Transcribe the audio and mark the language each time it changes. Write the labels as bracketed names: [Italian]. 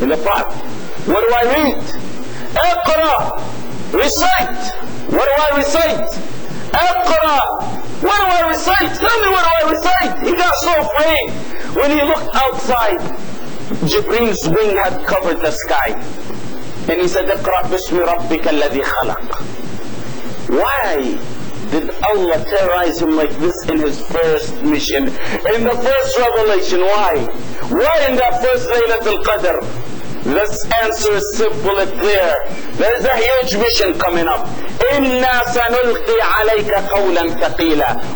[English] In the Prophet, what do I read? Iqra, recite. What do I recite? Iqra. What do I recite? Tell me, what do I recite? He got so afraid. When he looked outside, Jibreel's wing had covered the sky. And he said, [Arabic] اقرأ بسم ربك الذي خلق. [English] Why did Allah terrorize him like this in his first mission? In the first revelation, why? Why in that first Laylatul Qadr? This answer is simple and clear. There's a huge mission coming up. [Arabic] إِنَّا سَنُلْقِي عَلَيْكَ قَوْلًا ثَقِيلًا.